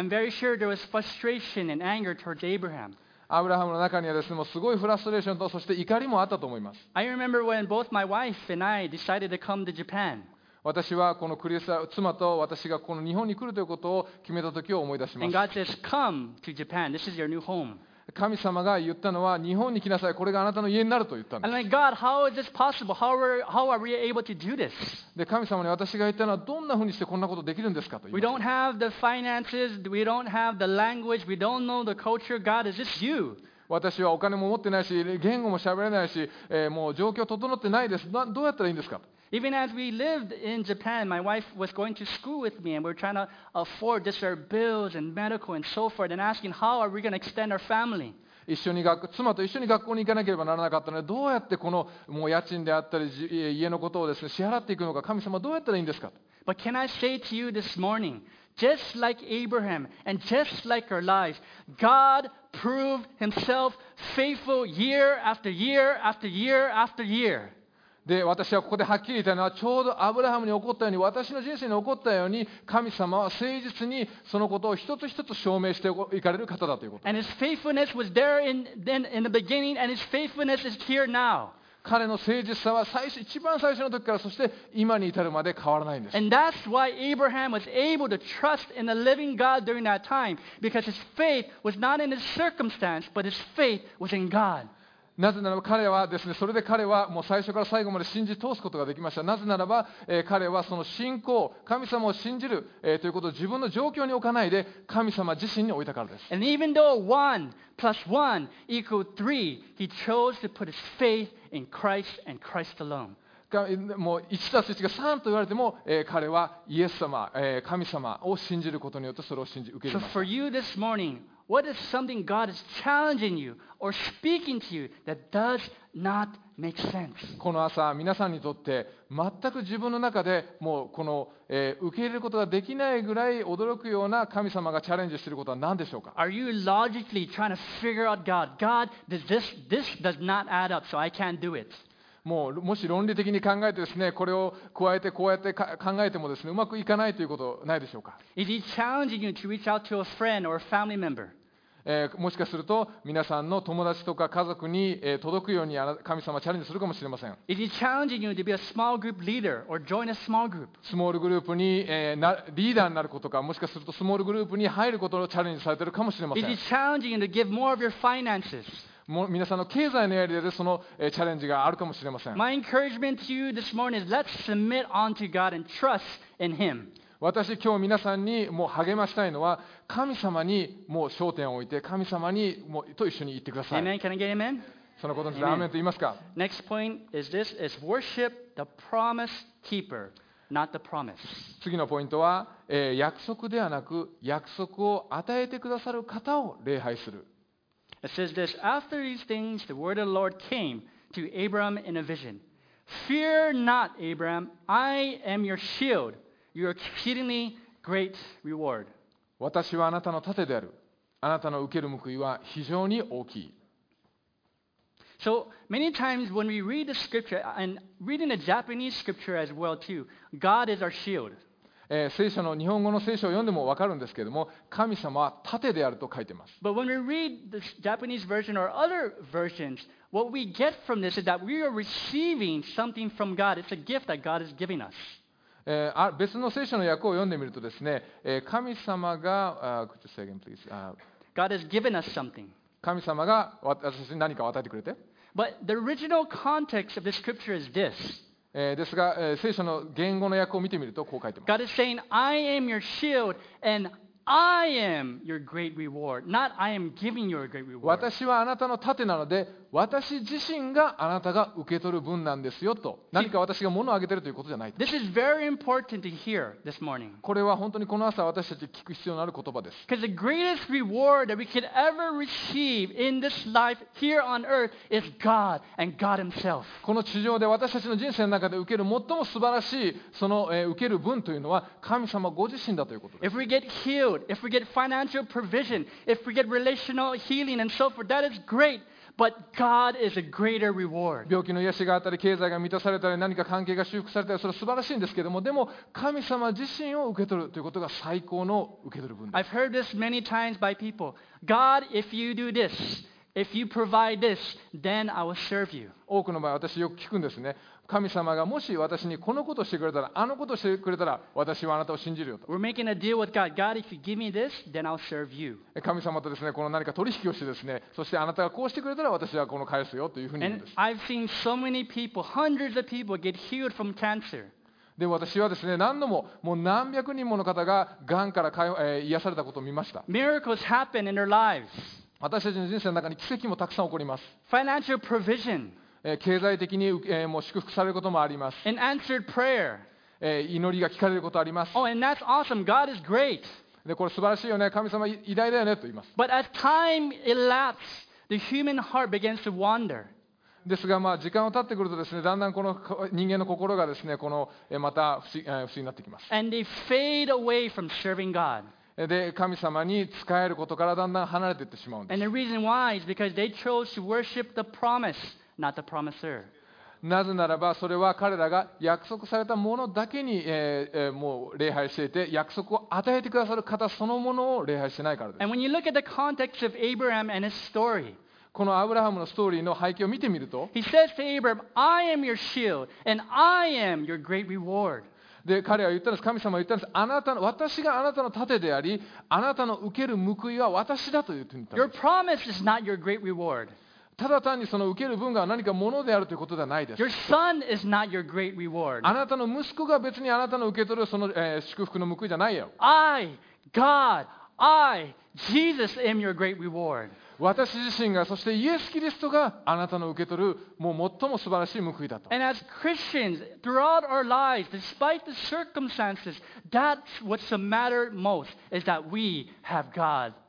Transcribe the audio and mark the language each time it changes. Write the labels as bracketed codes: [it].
[en] I'm very sure there was frustration and anger towards Abraham. [ja] アブラハムの中にはですね、もうすごいフラストレーションとそして怒りもあったと思います。 [en] I remember when both my wife and I decided to come to Japan. [ja] 私はこのクリスチャン妻と私がこの日本に来るということを決めた時を思い出します。 [en] And God says, "Come to Japan. This is your new home." [ja] 神様が言ったのは日本に来なさい。これがあなたの家になると言ったんです。 [en] I'm like, God, how is this possible? How are we able to do this? [ja] で神様に私が言ったのはどんなふうにしてこんなことできるんですかと言いました。 [en] We don't have the finances, we don't have the language, we don't know the culture. God, is this you? [ja] 私はお金も持ってないし、言語も喋れないし、もう状況整ってないです。どうやったらいいんですか。 [en] Even as we lived in Japan, my wife was going to school with me, and we were trying to afford just our bills and medical and so forth, and asking how are we going to extend our family. [ja] 一緒に妻と一緒に学校に行かなければならなかったので、どうやってこのもう家賃であったり家のことをですね支払っていくのか、神様どうやったらいいんですか。 [en] But can I say to you this morning, just like Abraham and just like our lives, God proved Himself faithful year after year after year after year. [ja] で私はここではっきり言ったのは、ちょうどアブラハムに起こったように、私の人生に起こったように、神様は誠実にそのことを一つ一つ証明していかれる方だということ。 [en] And his faithfulness was there in the beginning, and his faithfulness is here now. [ja] 彼の誠実さは一番最初の時から、そして今に至るまで変わらないんです。 [en] And that's why Abraham was able to trust in the living God during that time, because his faith was not in his circumstance, but his faith was in God. [ja] なぜならば彼はですね、それで彼はもう最初から最後まで信じ通すことができました。なぜならば、彼はその信仰、神様を信じる、ということを自分の状況に置かないで、神様自身に置いたからです。 [en] And even though 1 plus 1 equals 3, he chose to put his faith in Christ and Christ alone. [ja] もう1たす1が3と言われても、彼はイエス様、神様を信じることによってそれを信じ受け入れました。 [en] So for you this morning, what is something God is challenging you or speaking to you that does not make sense? [ja] この朝、皆さんにとって全く自分の中でもうこの、受け入れることができないぐらい驚くような神様がチャレンジしていることは何でしょうか。 [en] Are you logically trying to figure out God? God, this does not add up, so I can't do it. [ja] もうもし論理的に考えてですね、これを加えてこうやって考えてもですね、うまくいかないということないでしょうか。 [en] Is he challenging you to reach out to a friend or a family member? [ja] もしかすると皆さんの友達とか家族に届くように神様チャレンジするかもしれません。 [en] Is he challenging you to be a small group leader or join a small group? [ja] スモールグループにリーダーになることか、もしかするとスモールグループに入ることをチャレンジされているかもしれません。 [en] Is he challenging you to give more of your finances? [ja] 皆さんの経済のやり方でそのチャレンジがあるかもしれません。 [en] My encouragement to you this morning is let's submit unto God and trust in Him. [ja] 私今日皆さんにもう励ましたいのは、神様にもう焦点を置いて、神様にもうと一緒に言ってください。 [en] Amen. Can I get amen? [ja] そのことについてアーメンと言いますか。 [en] Next point is this: is worship the promise keeper, not the promise. [ja] 次のポイントは、約束ではなく約束を与えてくださる方を礼拝する。 [en] It says this, after these things, the word of the Lord came to Abram in a vision. Fear not, Abram, I am your shield, your exceedingly great reward. [ja] 私はあなたの盾である。あなたの受ける報いは非常に大きい。 [en] So many times when we read the scripture, and reading the Japanese scripture as well too, God is our shield. [ja] 聖書の日本語の聖書を読んでも分かるんですけれども、神様は盾であると書いてます。 [en] But when we read the Japanese version or other versions, what we get from this is that we are receiving something from God. It's a gift that God is giving us. [ja] 別の聖書の訳を読んでみるとですね、神様が、 [en] could you say again, please? God has given us something. [ja] 神様が私に何かを与えてくれて。 [en] But the original context of the scripture is this. [ja] ですが、聖書の言語の訳を見てみるとこう書いてます。 [en] God is saying, I am your shield and I am your great reward, not I am giving you a great reward. [ja] 私はあなたの盾なので、私自身があなたが受け取る分なんですよと。何か私が物をあげているということじゃないと。 [en] This is very important to hear this morning. [ja] これは本当にこの朝私たち聞く必要のある言葉です。 [en] Because the greatest reward that we could ever receive in this life here on earth is God and God Himself. [ja] この地上で私たちの人生の中で受ける最も素晴らしいその受ける分というのは神様ご自身だということです。 [en] If we get healed, if we get financial provision, if we get relational healing and so forth, that is great. But God is a greater reward. [ja] 病気の癒しがあったり、経済が満たされたり、何か関係が修復されたり、それは素晴らしいんですけども、でも神様自身を受け取るということが最高の受け取る分です。 [en] I've heard this many times by people. God, if you do this, if you provide this, then I will serve you. [ja] 多くの場合、私よく聞くんですね。神様がもし私にこのことをしてくれたら、あのことをしてくれたら、私はあなたを信じるよと。 [en] We're making a deal with God. God, if you give me this, then I'll serve you. [ja] 神様とですね、この何か取引をしてですね、そしてあなたがこうしてくれたら、私はこの返すよというふうに言うんです。 [en] And I've seen so many people, hundreds of people get healed from cancer. [ja] で私はですね、何度ももう何百人もの方ががんから癒されたことを見ました。 [en] Miracles happen in their lives. [ja] 私たちの人生の中に奇跡もたくさん起こります。 [en] Financial provision. [ja] 経済的にもう祝福されることもあります。 [en] An answered prayer. [ja] 祈りが聞かれることあります。 [en] Oh, and that's awesome. God is great. [ja] でこれ素晴らしいよね、神様偉大だよねと言います。 [en] But as time elapses, the human heart begins to wander. [ja] ですが、まあ時間を経ってくるとですね、だんだんこの人間の心がですね、このまた不思議になってきます。 [en] And they fade away from serving God. [ja] で神様に仕えることからだんだん離れていってしまうんです。 [en] And the reason why is because they chose to worship the promise. Not the promiser. [ja] なぜならばそれは彼らが約束されたものだけに、もう礼拝していて、約束を与えてくださる方そのものを礼拝してないからです。 [en] And when you look at the context of Abraham and his story, [ja] このアブラハムのストーリーの背景を見てみると、 [en] He says to Abraham, I am your shield and I am your great reward. [ja] で彼は言ったんです、神様は言ったんです、あなたの私があなたの盾であり、あなたの受ける報いは私だと言ったんです。 [en] Your promise is not your great reward. [ja] ただ単にその受ける分が何かものであるということではないです。 [en] Your son is not your great reward. [ja] あなたの息子が別にあなたの受け取るその、祝福の報いじゃないよ。 [en] I, God, I, Jesus am your great reward. [ja] 私自身が、そしてイエス・キリストがあなたの受け取るもう最も素晴らしい報いだと。 [en] And as Christians, throughout our lives, despite the circumstances, that's what's the matter most, is that we have God.